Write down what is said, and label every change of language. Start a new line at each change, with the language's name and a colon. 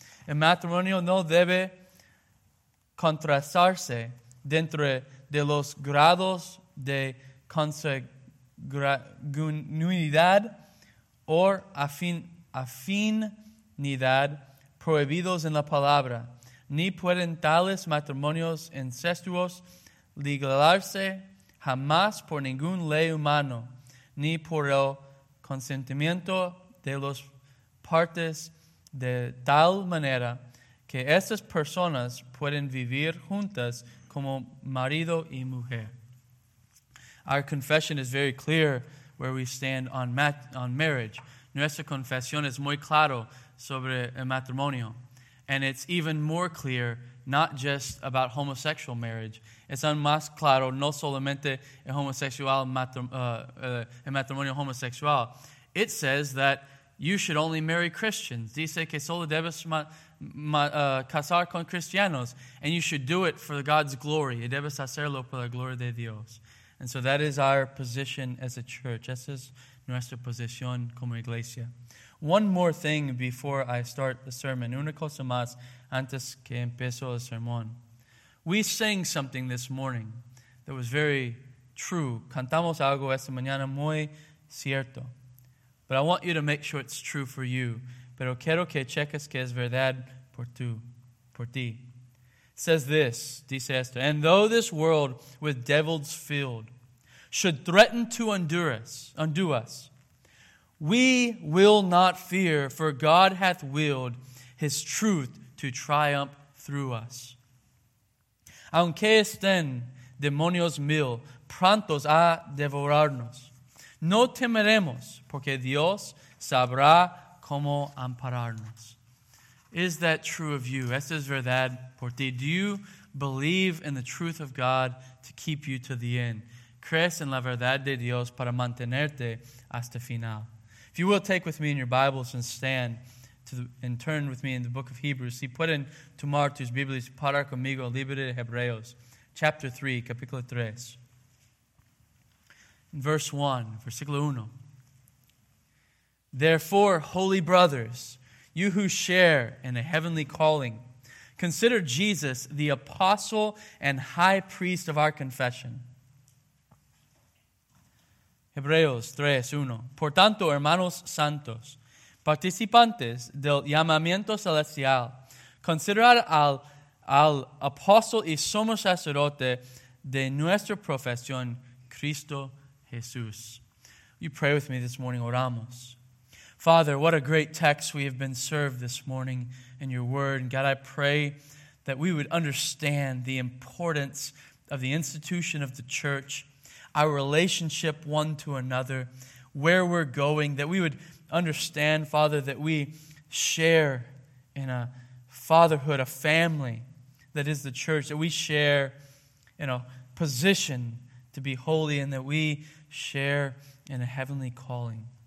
Spanish: El matrimonio no debe contrastarse dentro de los grados de consanguinidad o afinidad prohibidos en la palabra, ni pueden tales matrimonios incestuosos legalarse jamás por ninguna ley humana, ni por el consentimiento de los partes de tal manera que estas personas pueden vivir juntas como marido y mujer.
English: Our confession is very clear where we stand on marriage.
Spanish: Nuestra confesión es muy claro sobre el matrimonio.
English: And it's even more clear, not just about homosexual marriage.
Spanish: Es aún más claro, no solamente el matrimonio homosexual.
English: It says that you should only marry Christians.
Spanish: Dice que solo debes casar con cristianos.
English: And you should do it for God's glory.
Spanish: Y debes hacerlo por la gloria de Dios.
English: And so that is our position as a church.
Spanish: Esa es nuestra posición como iglesia.
English: One more thing before I start the sermon.
Spanish: Una cosa más antes que empiezo el sermón.
English: We sang something this morning that was very true.
Spanish: Cantamos algo esta mañana muy cierto.
English: But I want you to make sure it's true for you.
Spanish: Pero quiero que cheques que es verdad por ti.
English: Says this,
Spanish: dice esto,
English: and though this world with devils filled should threaten to undo us, we will not fear, for God hath willed his truth to triumph through us.
Spanish: Aunque estén demonios mil prontos a devorarnos, no temeremos, porque Dios sabrá cómo ampararnos.
English: Is that true of you?
Spanish: Esa es verdad por ti.
English: Do you believe in the truth of God to keep you to the end?
Spanish: ¿Crees en la verdad de Dios para mantenerte hasta final?
English: If you will take with me in your Bibles and stand and turn with me in the book of Hebrews.
Spanish: Si pueden tomar tus Biblias, para conmigo, libro de Hebreos,
English: chapter 3,
Spanish: capítulo 3.
English: Verse 1,
Spanish: versículo 1.
English: Therefore, holy brothers, you who share in a heavenly calling, consider Jesus the apostle and high priest of our confession.
Spanish: Hebreos 3:1. Por tanto, hermanos santos, participantes del llamamiento celestial, considerad al apóstol y sumo sacerdote de nuestra profesión, Cristo Jesús.
English: You pray with me this morning,
Spanish: oramos.
English: Father, what a great text we have been served this morning in your word. And God, I pray that we would understand the importance of the institution of the church, our relationship one to another, where we're going, that we would understand, Father, that we share in a fatherhood, a family that is the church, that we share in a position to be holy, and that we share in a heavenly calling.